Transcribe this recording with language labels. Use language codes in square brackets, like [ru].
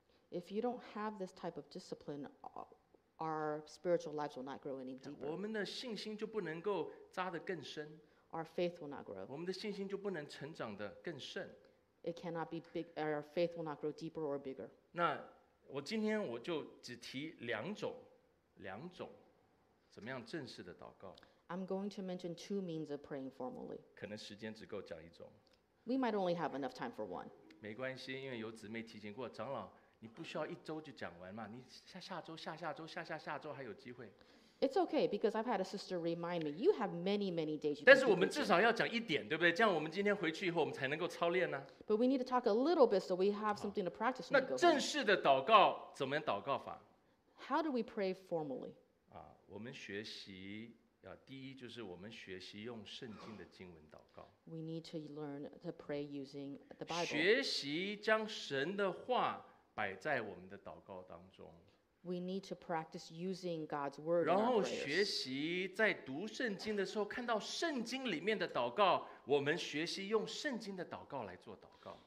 [en] If you don't have this type of discipline, our spiritual lives will not grow any deeper. [zh] 我们的信心就不能够扎得更深。 [en] Our faith will not grow. [zh] 我们的信心就不能成长得更甚。 [en] It cannot be big. Our faith will not grow deeper or bigger. [zh] 那我今天我就只提两种，怎么样正式的祷告。 [en] I'm going to mention two means of praying formally. [zh] 可能时间只够讲一种。 [en] We might only have enough time for one. [zh] 没关系，因为有姊妹提醒过长老，你不需要一周就讲完嘛，你下周还有机会。 [en] It's okay because I've had a sister remind me. You have many, many days. [zh] 但是我们至少要讲一点，对不对？这样我们今天回去以后，我们才能够操练呢。 [en] But we need to talk a little bit so we have something to practice. [zh] 那正式的祷告怎么样祷告法 [en] ？How do we pray formally? [zh] 我们学习要第一就是我们学习用圣经的经文祷告。 [en] We need to learn to pray using the Bible. [zh] 学习将神的话摆在我们的祷告当中。 [en] We need to practice using God's word. [zh] 然后学习在读圣经的时候，看到圣经里面的祷告，我们学习用圣经的祷告来做祷告。